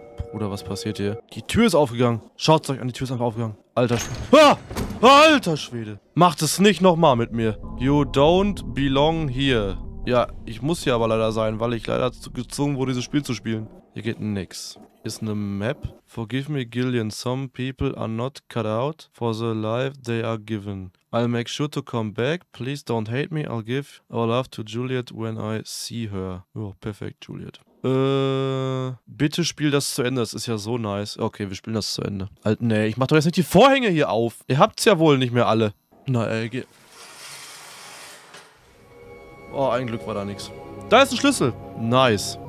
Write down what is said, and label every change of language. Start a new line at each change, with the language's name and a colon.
German: Bruder, was passiert hier? Die Tür ist aufgegangen. Schaut's euch an, die Tür ist einfach aufgegangen. Alter Schwede. Ah! Alter Schwede. Macht es nicht nochmal mit mir.
English: You don't belong here.
German: Ja, ich muss hier aber leider sein, weil ich leider gezwungen wurde, dieses Spiel zu spielen. Hier geht nix. Ist eine Map.
English: Forgive me, Gillian. Some people are not cut out for the life they are given. I'll make sure to come back. Please don't hate me. I'll give our love to Juliet when I see her.
German: Oh, perfekt, Juliet. Bitte spiel das zu Ende. Das ist ja so nice. Okay, wir spielen das zu Ende. Alter, nee, ich mach doch jetzt nicht die Vorhänge hier auf. Ihr habt's ja wohl nicht mehr alle. Na, ey, geh. Oh, ein Glück war da nichts. Da ist ein Schlüssel. Nice.